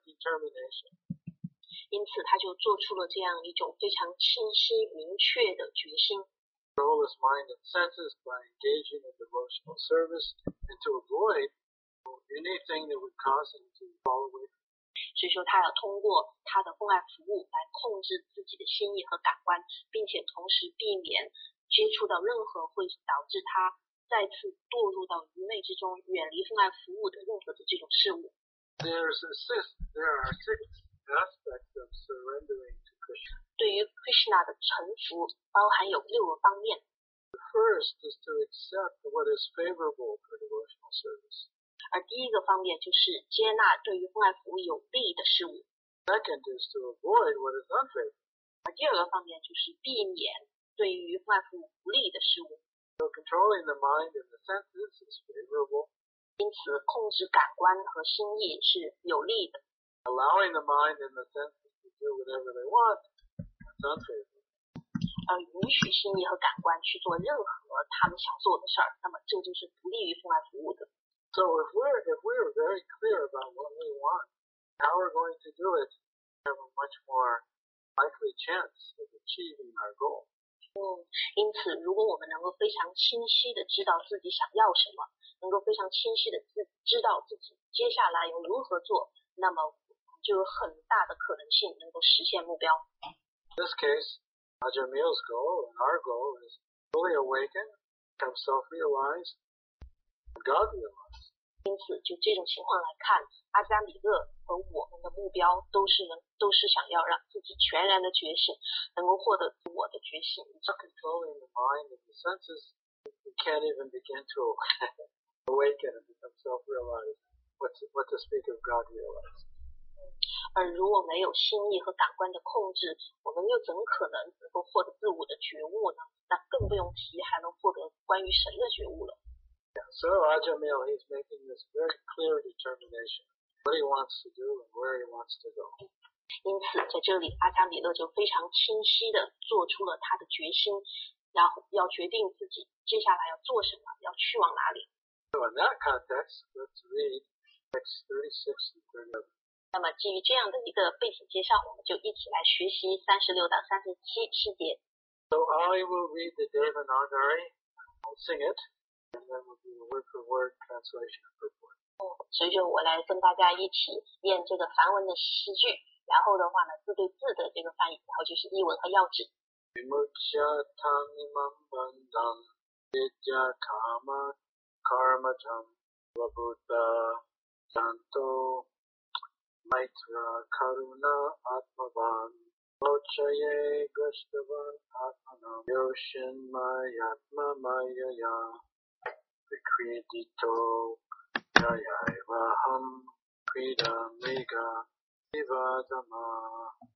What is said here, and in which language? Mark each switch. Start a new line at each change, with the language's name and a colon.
Chinese: 因此他就做出了这样一种非常清晰明确的决心。
English: Control his mind and senses by engaging in devotional service and to avoid anything that would cause him to fall away.
Chinese: 所以说他要通过他的奉爱服务来控制自己的心意和感官，并且同时避免接触到任何会导致他再次堕入到愚昧之中、远离奉爱服务的任何的这种事物。
English: There are six aspects of surrendering to Krishna.
Chinese: 对于 Krishna 的臣服包含有六个方面。
English: The first is to accept what is favorable for devotional service.
Chinese: 而第一个方面就是接纳对于奉爱服务有利的事物。
English: Second is to avoid what is unfavorable.
Chinese: 而第二个方面就是避免对于奉爱服务不利的事物。
English: So controlling the mind and the senses is favorable.
Chinese: 因此控制感官和心意是有利的。
English: Allowing the mind and the senses to do whatever they want.
Chinese: 允许心意和感官去做任何他们想做的事儿，那么这就是不利于奉爱服务的。
English: So if we're very clear about what we want, how we're going to do it, we have a much more likely chance of achieving our goal.
Chinese: 因此如果我们能够非常清晰的知道自己想要什么，能够非常清晰的知道自己接下来要如何做，那么就有很大的可能性能够实现目标。
English: In this case, Ajahn Mill's goal and our goal is fully awaken, become self-realized, and God-realized.
Chinese: 因此就这种情况来看，阿加米勒和我们的目标都是想要让自己全然的觉醒，能够获得自我的觉醒。
English: So controlling the mind and the senses, you can't even begin to awaken and become self-realized. What to speak of God-realized?
Chinese: 而如果没有心意和感官的控制，我们又怎可能能够获得自我的觉悟呢？那更不用提还能获得关于神的觉悟了。
English: Yeah, so Ajahn Mill is making this very clear determination what he wants to do and where he wants to go.
Chinese: 因此在这里阿加米勒就非常清晰地做出了他的决心，然后要决定自己接下来要做什么，要去往哪里。
English: So in that context, let's read text 36 and 37.
Chinese: 那么基于这样的一个背景介绍，我们就一起来学习36到37七节。
English: So I will read the Devanagari, I'll sing it, and then we'll do a word-for-word translation of purport.
Chinese: 所以就我来跟大家一起念这个梵文的诗句，然后的话呢，字对字的这个翻译，然后就是译文和要旨。
Sanskrit: Vimuccha tamimam bandham vidya kama karmajam labuddha santo maitra karuna atmavan mochaye grishtavan atmanam yoshin mayatma mayaya vikredito jayai vaham krida mega vivadama